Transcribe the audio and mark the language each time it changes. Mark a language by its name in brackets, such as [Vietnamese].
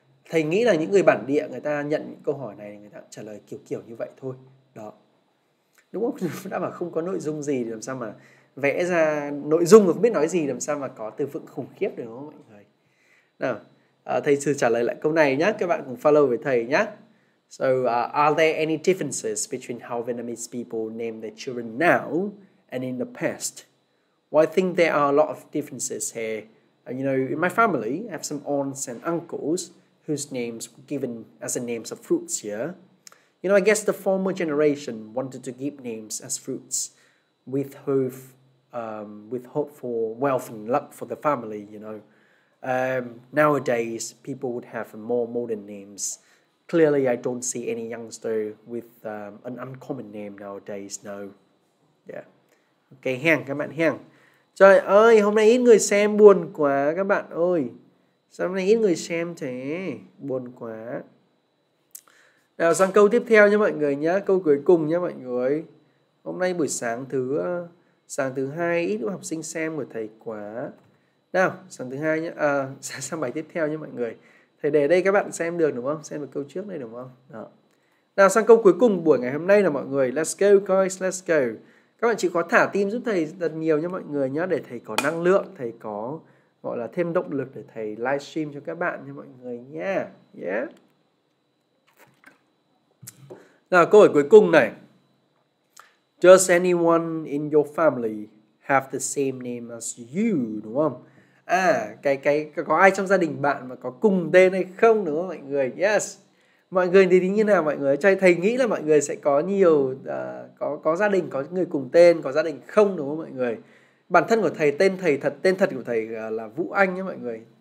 [Vietnamese] Thầy nghĩ là những người bản địa người ta nhận những câu hỏi này, người ta trả lời kiểu kiểu như vậy thôi. Đó. Đúng không? Đã bảo không có nội dung gì thì làm sao mà vẽ ra nội dung, không biết nói gì làm sao mà có từ vựng khủng khiếp được không mọi người? Nào, thầy sẽ trả lời lại câu này nhé. Các bạn cùng follow với thầy nhé. [English] So, are there any differences between how Vietnamese people name their children now and in the past? Well, I think there are a lot of differences here. You know, in my family, I have some aunts and uncles whose names were given as the names of fruits here. You know, I guess the former generation wanted to give names as fruits with hope, with hope for wealth and luck for the family, you know. Nowadays, people would have more modern names. Clearly, I don't see any youngster with an uncommon name nowadays, no. Yeah. Okay, [Vietnamese] hang, các bạn hang. Trời ơi, hôm nay ít người xem buồn quá các bạn ơi. Sao hôm nay ít người xem thế? Buồn quá. Nào, sang câu tiếp theo nha mọi người nhé. Câu cuối cùng nha mọi người. Hôm nay buổi sáng thứ hai ít học sinh xem của thầy quá. Nào, sáng thứ hai nhé. À, sang bài tiếp theo nha mọi người. Thầy để đây các bạn xem được đúng không? Xem được câu trước đây đúng không? Đó. Nào, sang câu cuối cùng buổi ngày hôm nay là mọi người. [English] Let's go guys, let's go. [Vietnamese] Các bạn chỉ có thả tim giúp thầy thật nhiều nha mọi người nhé. Để thầy có năng lượng, thầy có gọi là thêm động lực để thầy livestream cho các bạn nha mọi người nha. Yeah. Nào, câu hỏi cuối cùng này. [English] Does anyone in your family have the same name as you, [Vietnamese] đúng không? À, có ai trong gia đình bạn mà có cùng tên hay không, đúng không mọi người? [English] Yes. [Vietnamese] Mọi người thì như nào mọi người? Thầy nghĩ là mọi người sẽ có nhiều có gia đình có người cùng tên, có gia đình không, đúng không mọi người? Bản thân của thầy, tên thật của thầy là Vũ Anh nhé mọi người.